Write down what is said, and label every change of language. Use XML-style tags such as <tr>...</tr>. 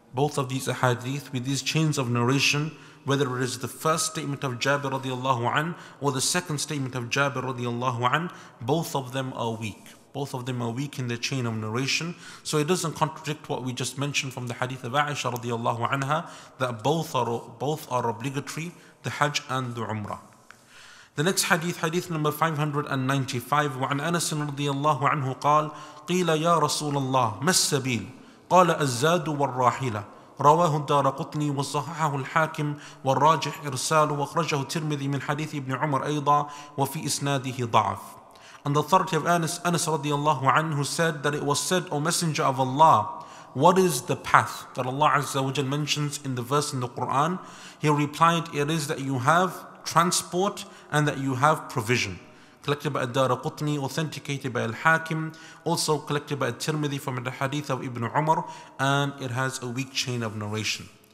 <en>Both of these ahadith with these chains of narration, whether it is the first statement of Jabir radiallahu anhu or the second statement of Jabir radiallahu anhu, both of them are weak. Both of them are weak in the chain of narration. So it doesn't contradict what we just mentioned from the hadith of Aisha radiallahu anha, that both are obligatory, the Hajj and the Umrah. The next hadith, hadith number 595,</en> <ar>وعن أنس رضي الله عنه قال قيل يا رسول الله ما السبيل قال الزاد والراحلة رواه الدار قطني وصححه الحاكم والراجح إرساله وخرجه الترمذي من حديث ابن عمر أيضا وفي إسناده ضعف.</ar> <en>And the authority of Anas radiallahu anhu said that it was said, O Messenger of Allah, what is the path that Allah Azza wa Jal mentions in the verse in the Quran? He replied, it is that you have transport and that you have provision. Collected by Ad-Darqutni, authenticated by Al-Hakim, also collected by Al-Tirmidhi from the hadith of Ibn Umar, and it has a weak chain of narration.</en>